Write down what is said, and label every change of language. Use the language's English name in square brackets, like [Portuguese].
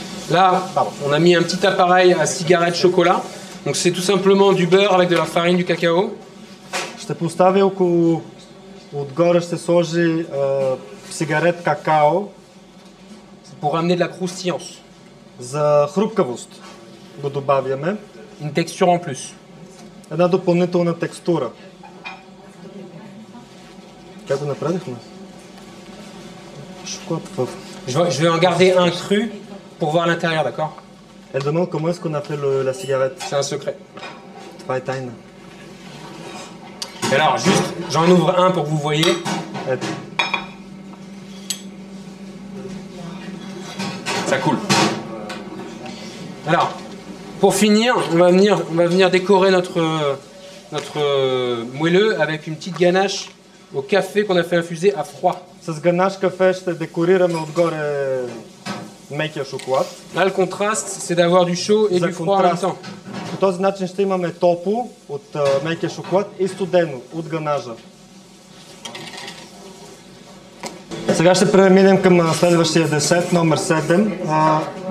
[French] Là, on a mis un petit appareil à cigarette chocolat. Donc c'est tout simplement du beurre avec de la farine du cacao. Je te [Bulgarian] поставя около отгоре ще сложи cigarette cacao [French] pour amener de la croustillance. [Bulgarian] За хрупкавост го добавяме. [French] Une texture en plus. [Bulgarian] Една допълнителна текстура. Как го направихме? [French] Je vais en garder un cru pour voir l'intérieur, d'accord? Elle demande comment est-ce qu'on appelle la cigarette. C'est un secret. [Bulgarian] Това е тайна. [French] Alors, juste, j'en ouvre un pour que vous voyez. Et... Ça coule. Alors, pour finir, on va venir décorer notre moelleux avec une petite ganache au café qu'on a fait infuser à froid. [Bulgarian] С ганаш кафе ще декорираме отгоре мекия шоколад. [French] Là, le contraste, c'est d'avoir du chaud et du froid en même temps. [Bulgarian] По този начин ще имаме топло от мекия шоколад и студено от ганажа. Сега ще преминем към следващия десет, номер 7.